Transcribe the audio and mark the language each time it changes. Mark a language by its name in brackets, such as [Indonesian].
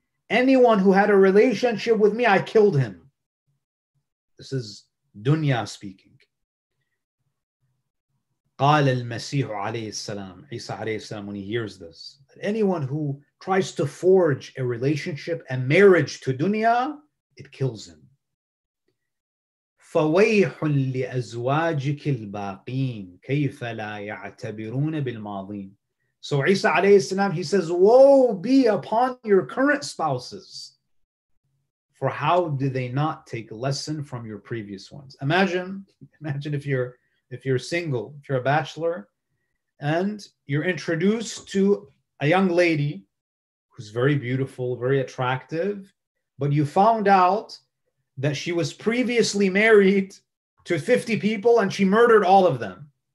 [English] Anyone who had a relationship with me, I killed him. This is dunya speaking. [Arabic] قال المسيح عليه السلام, عيسى عليه السلام, [English] when he hears this, that anyone who tries to forge a relationship, a marriage to dunya, it kills him. [Arabic] فويح لأزواجك الباقين كيف لا يعتبرون بالماضين. [English] So عيسى عليه السلام, he says, woe be upon your current spouses, for how do they not take lesson from your previous ones? Imagine if you're single, if you're a bachelor, and you're introduced to a young lady who's very beautiful, very attractive, but you found out that she was previously married to 50 people and she murdered all of them.